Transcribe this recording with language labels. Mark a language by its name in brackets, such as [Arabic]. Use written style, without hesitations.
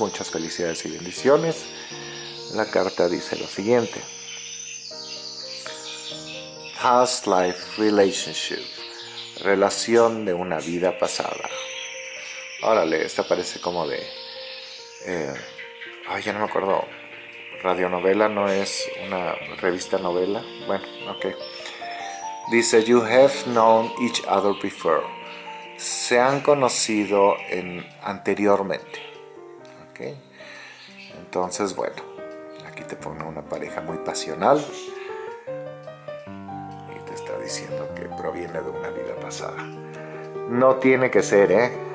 [Spanish] Muchas felicidades y bendiciones. La carta dice lo siguiente: [English] Past Life Relationship, [Spanish] relación de una vida pasada. Órale, esta parece como de... ya no me acuerdo. Radionovela, ¿no es una revista novela? Bueno, ok. Dice, [English] you have known each other before. [Spanish] Se han conocido anteriormente. Ok. Entonces, bueno, aquí te pone una pareja muy pasional. Diciendo que proviene de una vida pasada. No tiene que ser, ¿eh?